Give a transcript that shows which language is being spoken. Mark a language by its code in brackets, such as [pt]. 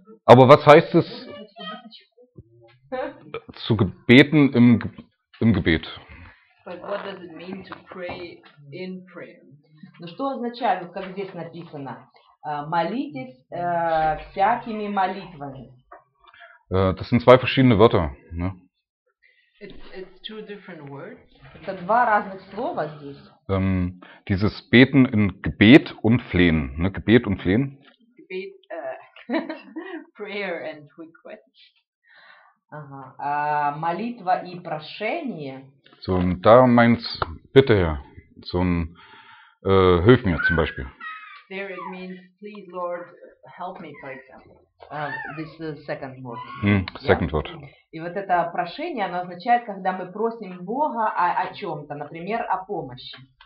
[de] Aber was heißt es, zu beten im Gebet? [en] But what does it mean to pray in prayer? [ru] Ну что означает, как здесь написано, молитесь всякими молитвами? [de] Das sind zwei verschiedene Wörter. Ne? [en] It's two different words. [ru] Это два разных слова здесь. [de] Dieses Beten in Gebet und Flehen. Ne? Gebet und Flehen. [en] Gebet, prayer and request. [ru] Ага. Молитва и прошение. [de] So, da meint bitte Herr. So ein hilf mir zum Beispiel. [en] There it means please Lord help me, for example. This is second word. Second word. [ru] И вот это прошение, оно означает, когда мы просим Бога о чем-то, например, о помощи.